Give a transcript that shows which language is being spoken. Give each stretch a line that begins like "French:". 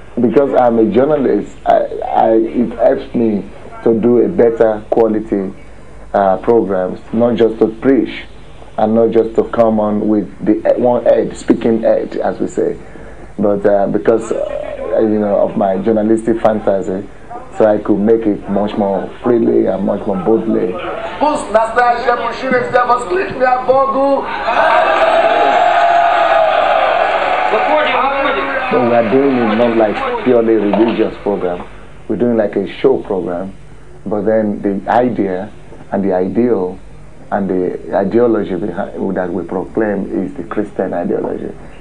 English: Because I'm a journalist, it helps me to do a better quality programs, not just to preach and not just to come on with the one head, speaking head, as we say, but because you know, of my journalistic fantasy, so I could make it much more freely and much more boldly.
Russian: Пусть настоящие мужчины все воскликнут о Богу!
English: So we are doing it not like purely religious program. We're doing like a show program. But then the idea and the ideal and the ideology behind that we proclaim is the Christian ideology.